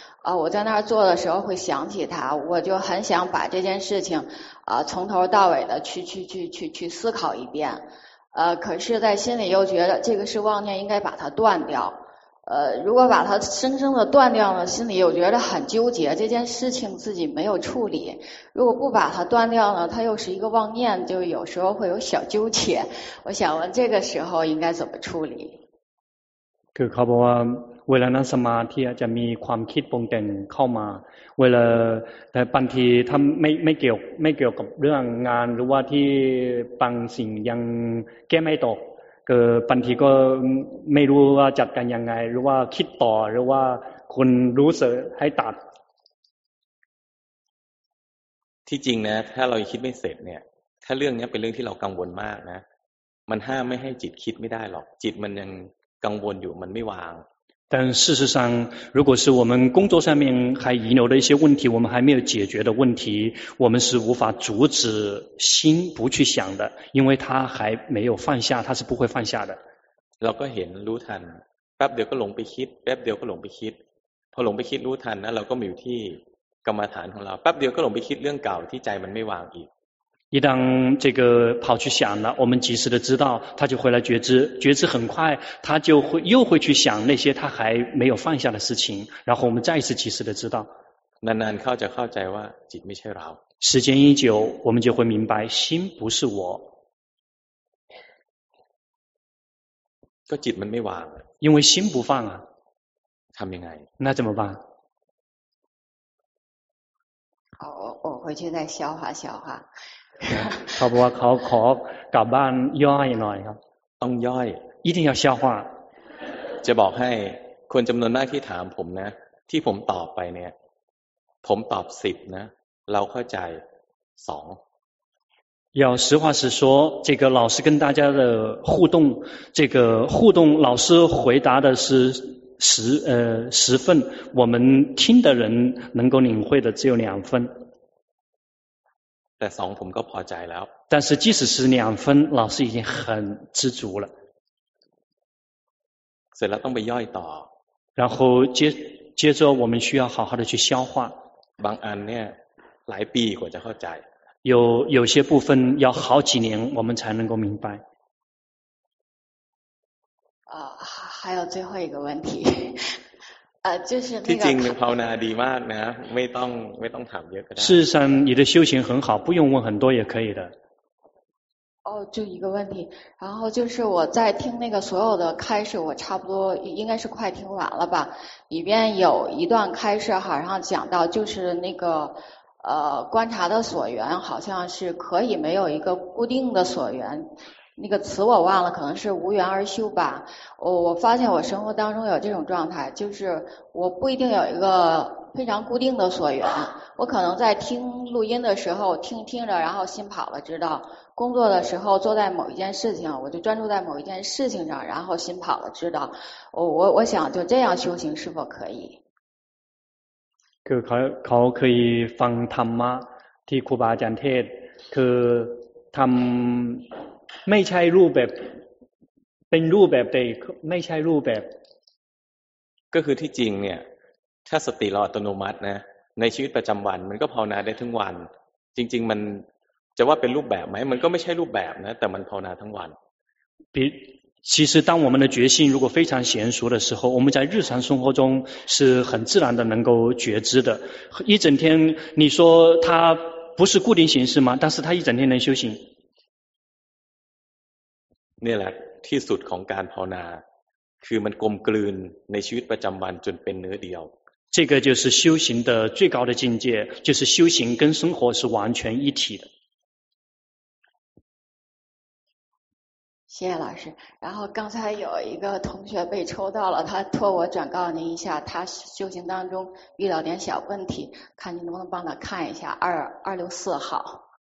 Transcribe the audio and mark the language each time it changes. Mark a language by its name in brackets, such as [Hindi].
[Chinese] 啊，我在那儿做的时候会想起他，我就很想把这件事情，从头到尾的去思考一遍，可是，在心里又觉得这个是妄念，应该把它断掉。如果把它生生的断掉呢，心里又觉得很纠结，这件事情自己没有处理。如果不把它断掉呢，它又是一个妄念，就有时候会有小纠结。我想问，这个时候应该怎么处理？ [Thai] คือเขาบอกว่าเวลานั่งสมาธิจะมีความคิดปรุงแต่งเข้ามาเวลาแต่บางทีถ้าไม่เกี่ยวกับเรื่องงานหรือว่าที่บางสิ่งยังแก้ไม่ตกก็บางทีก็ไม่รู้ว่าจัดการยังไงหรือว่าคิดต่อหรือว่าคนรู้สึกให้ตัด ที่จริงนะถ้าเราคิดไม่เสร็จเนี่ยถ้าเรื่องนี้เป็นเรื่องที่เรากังวลมากนะมันห้ามไม่ให้จิตคิดไม่ได้หรอกจิตมันยังกังวลอยู่มันไม่วาง [Chinese] 但事实上如果是我们工作上面还遗留的一些问题我们还没有解决的问题我们是无法阻止心不去想的因为他还没有放下他是不会放下的 [Thai] เราก็เห็นรู้ทันแป๊บเดียวก็หลงไปคิดแป๊บเดียวก็หลงไปคิดพอหลงไปคิดรู้ทันนะเราก็มีอยู่ที่กรรมฐานของเราแป๊บเดียวก็หลงไปคิดเรื่องเก่าที่ใจมันไม่วางอีก [Chinese] 一旦这个跑去想了，我们及时的知道，他就回来觉知，觉知很快，他就会又会去想那些他还没有放下的事情，然后我们再一次及时的知道。慢慢靠着靠在哇，几米切劳。时间一久，我们就会明白，心不是我。个จิต没忘，因为心不放啊。 [Thai] ทำยังไง？ [Chinese] 那怎么办？好，我回去再消化消化。 [Thai] เขาบอกว่าเขาขอกลับบ้านย่อยหน่อยครับ ต้องย่อย [Chinese] 一定要消化 [Thai] จะบอกให้คนจำนวนมากที่ถามผมนะที่ผมตอบไปเนี่ยผมตอบ10นะเราเข้าใจ2 [Chinese] 要实话实说，这个老师跟大家的互动，这个互动老师回答的是十分，我们听的人能够领会的只有2分。 [Thai] แต่สองผมก็พอใจแล้ว [Chinese] 但是即使是2分老师已经很知足了 [Thai] เสร็จแล้วต้องไปย่อยต่อ [Chinese] 然后接着我们需要好好的去消化 [Thai] บางอันเนี่ยหลายปีกว่าจะเข้าใจ [Chinese] 有些部分要好几年我们才能够明白还有最后一个问题就是那个 [Thai] ที่จริงภาวนาดีมากนะไม่ต้องถามเยอะก็ได้ [Chinese] 事实上你的修行很好不用问很多也可以的哦就一个问题然后就是我在听那个所有的开示我差不多应该是快听完了吧里边有一段开示好像讲到就是那个观察的所缘好像是可以没有一个固定的所缘那个词我忘了可能是无缘而修吧我发现我生活当中有这种状态就是我不一定有一个非常固定的所缘我可能在听录音的时候听着然后心跑了知道工作的时候坐在某一件事情我就专注在某一件事情上然后心跑了知道我想就这样修行是否可以 [Thai] เขาเคยฟังธรรมะที่ครูบาอาจารย์เทศคือทำไม่ใช่รูปแบบเป็นรูปแบบแต่ไม่ใช่รูปแบบ ก็คือที่จริงเนี่ยถ้าสติเราอัตโนมัตินะในชีวิตประจำวันมันก็ภาวนาได้ทั้งวันจริงๆมันจะว่าเป็นรูปแบบไหมมันก็ไม่ใช่รูปแบบนะแต่มันภาวนาทั้งวัน [Chinese] 其实当我们的觉性如果非常娴熟的时候我们在日常生活中是很自然的能够觉知的一整天你说它不是固定形式吗但是它一整天能修行 [Thai] นี่แหละที่สุดของการภาวนาคือมันกลมกลืนในชีวิตประจำวันจนเป็นเนื้อเดียว [Chinese] 这个就是修行的最高的境界就是修行跟生活是完全一体的谢谢老师然后刚才有一个同学被抽到了他托我转告您一下他修行当中遇到点小问题看您能不能帮他看一下264号